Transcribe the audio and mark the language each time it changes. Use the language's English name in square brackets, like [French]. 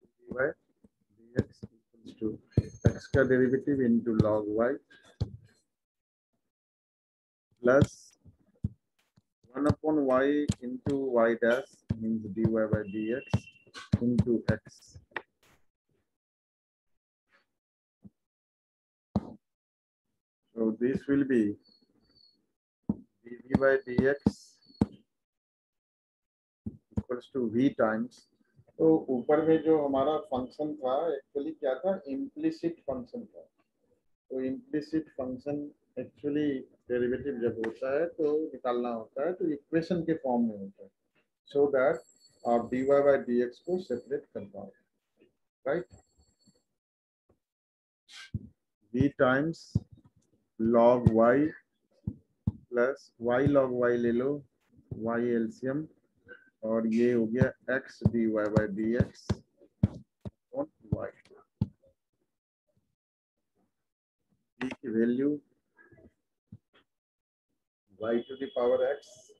[English] Dy dx equals to x ka derivative into log y plus 1 upon y into y dash means dy by dx into x. So this will be dv by dx equals to v times. [Hindi] So ऊपर में जो हमारा function था actually क्या था, implicit function था. So implicit function actually derivative जब होता है तो निकालना होता है, तो equation के form में होता है. So that आप dy by dx को separate कर पाओ, right? V times log y plus y log y ले लो, y LCM, और ये हो गया x dy by dx on y, v की value y to the power x